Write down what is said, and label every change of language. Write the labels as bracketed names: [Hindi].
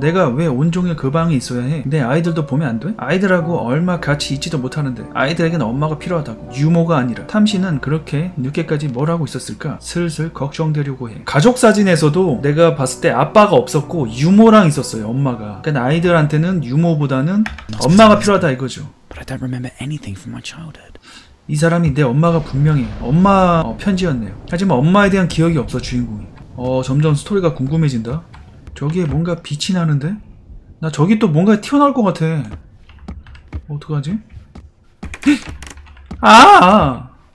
[Korean] 내가 왜 온종일 그 방에 있어야 해? 내 아이들도 보면 안 돼? 아이들하고 얼마 같이 있지도 못하는데 아이들에겐 엄마가 필요하다고. 유모가 아니라 탐신은 그렇게 늦게까지 뭘 하고 있었을까 슬슬 걱정되려고 해. 가족 사진에서도 내가 봤을 때 아빠가 없었고 유모랑 있었어요. 엄마가. 그러니까 아이들한테는 유모보다는 엄마가 필요하다 이거죠. [English] But I don't remember anything from my childhood. [Korean] 이 사람이 내 엄마가 분명해. 엄마 편지였네요. 하지만 엄마에 대한 기억이 없어 주인공이. 점점 스토리가 궁금해진다. 저기에 뭔가 빛이 나는데? 나 저기 또 뭔가 튀어나올 것 같아. 어떡하지? 아!